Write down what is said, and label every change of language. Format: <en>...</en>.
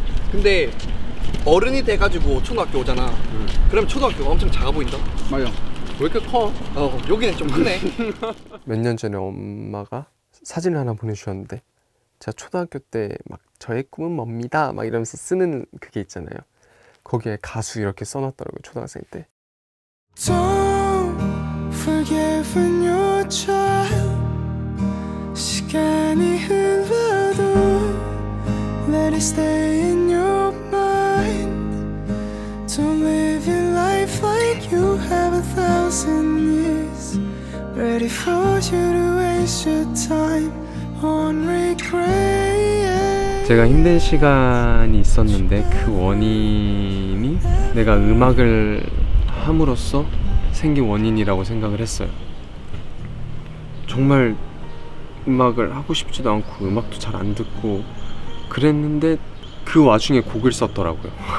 <ko>근데 어른이 돼가지고 초등학교 오잖아. 그럼 초등학교가 엄청 작아 보인다. 맞아. 왜 이렇게 커? 여기는 좀 크네. 몇 년 전에 엄마가 사진을 하나 보내주셨는데 제가 초등학교 때 막 저의 꿈은 뭡니다 막 이러면서 쓰는 그게 있잖아요. 거기에 가수 이렇게 써놨더라고요 초등학생 때.</ko> <en>Don't forgive when your child</en> <ko>시간이 흘러도</ko> <en>Let it stay in your mind. Don't live your life like you have a thousand years. Ready for you to waste your time on recreation.</en> <ko>제가 힘든 시간이 있었는데 그 원인이 내가 음악을 함으로써 생긴 원인이라고 생각을 했어요. 정말 음악을 하고 싶지도 않고 음악도 잘 안 듣고 그랬는데 그 와중에 곡을 썼더라고요.</ko>